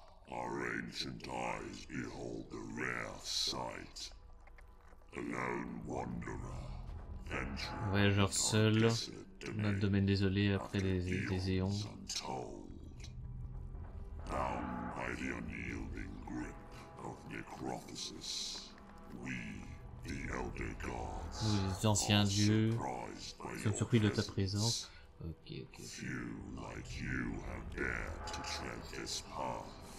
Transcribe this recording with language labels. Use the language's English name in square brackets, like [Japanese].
[English] Our ancient eyes behold the rare sight. A lone wanderer, venturer. [French] Voyageur seul, notre domaine désolé après des éons. [English] Untold. Bound by the unyielding grip of necrophysis, we, the elder gods, [French] nous, les anciens dieux, sommes surpris de ta présence. [English] Ok. Few like you have dared to tread this path.